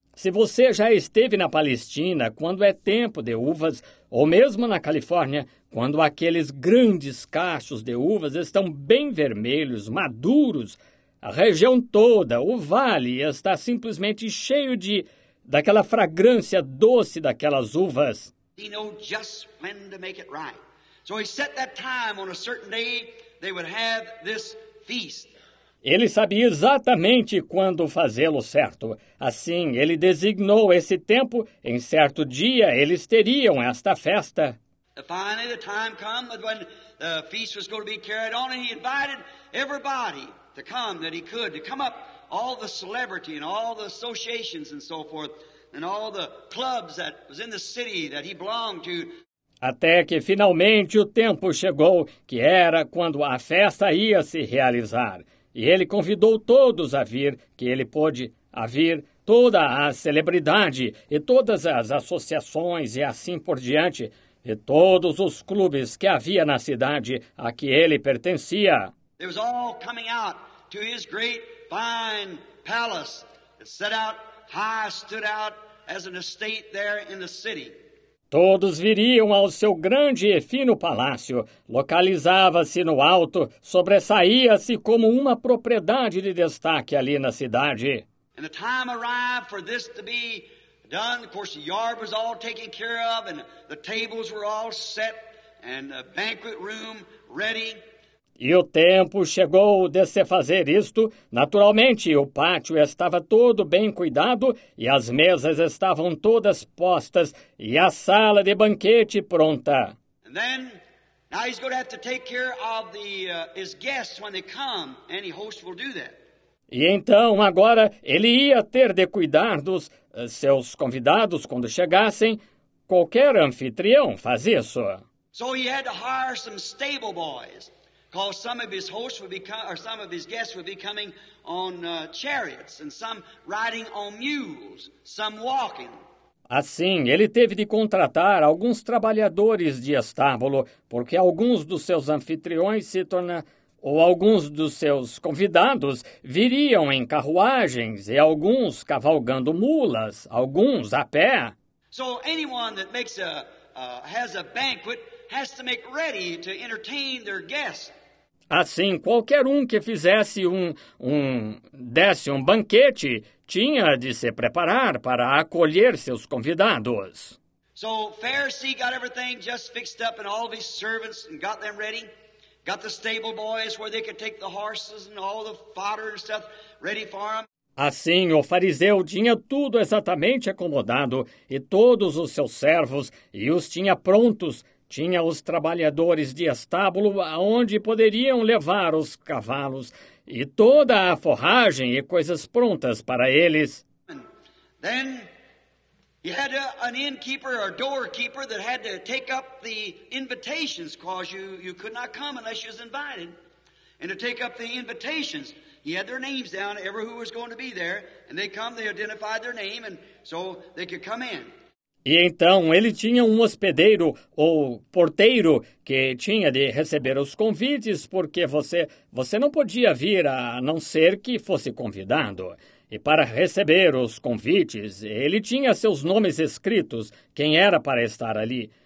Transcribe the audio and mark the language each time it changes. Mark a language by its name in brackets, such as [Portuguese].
[Portuguese] Se você já esteve na Palestina, quando é tempo de uvas, ou mesmo na Califórnia, quando aqueles grandes cachos de uvas estão bem vermelhos, maduros, a região toda, o vale, está simplesmente cheio daquela fragrância doce daquelas uvas. [English] He knew just when to make it right. So he set that time on a certain day they would have this feast. [Portuguese] Ele sabia exatamente quando fazê-lo certo. Assim, ele designou esse tempo, em certo dia eles teriam esta festa. [English] Finally, the time came when the feast was going to be carried on, and he invited everybody to come that he could, to come up, all the celebrity and all the associations and so forth, and all the clubs that was in the city that he belonged to. [Portuguese] Até que finalmente o tempo chegou, que era quando a festa ia se realizar. E ele convidou todos a vir, que ele pôde a vir, toda a celebridade e todas as associações e assim por diante, e todos os clubes que havia na cidade a que ele pertencia. [English] It was all coming out to his great fine palace that set out high, stood out as an estate there in the city. [Portuguese] Todos viriam ao seu grande e fino palácio. Localizava-se no alto, sobressaía-se como uma propriedade de destaque ali na cidade. [English] And the time arrived for this to be done. Of course, the yard was all taken care of, and the tables were all set, and the banquet room ready. [Portuguese] E o tempo chegou de se fazer isto. Naturalmente, o pátio estava todo bem cuidado e as mesas estavam todas postas e a sala de banquete pronta. [English] And then, now he's going to have to take care of the, his guests when they come. Any host will do that. [Portuguese] E então, agora, ele ia ter de cuidar dos seus convidados quando chegassem. Qualquer anfitrião faz isso. [English] So he had to hire some stable boys. Because some of his hosts would be some of his guests would be coming on chariots, and some riding on mules, some walking. [Portuguese] Assim, ele teve de contratar alguns trabalhadores de estábulo, porque alguns dos seus anfitriões se torna ou alguns dos seus convidados viriam em carruagens e alguns cavalgando mulas, alguns a pé. [English] So anyone that makes a has a banquet has to make ready to entertain their guests. [Portuguese] Assim, qualquer um que fizesse desse um banquete, tinha de se preparar para acolher seus convidados. [English] So, Pharisee got everything just fixed up and all of his servants and got them ready. Got the stable boys where they could take the horses and all the fodder and stuff ready for them. [Portuguese] Assim, o fariseu tinha tudo exatamente acomodado e todos os seus servos e os tinha prontos. Tinha os trabalhadores de estábulo aonde poderiam levar os cavalos e toda a forragem e coisas prontas para eles. [English] Then he had an innkeeper or doorkeeper that had to take up the invitations, cause you could not come unless you was invited. And to take up the invitations, he had their names down, every who was going to be there, and they come, they identified their name, and so they could come in. [Portuguese] E então ele tinha um hospedeiro ou porteiro que tinha de receber os convites, porque você não podia vir a não ser que fosse convidado. E para receber os convites, ele tinha seus nomes escritos, quem era para estar ali.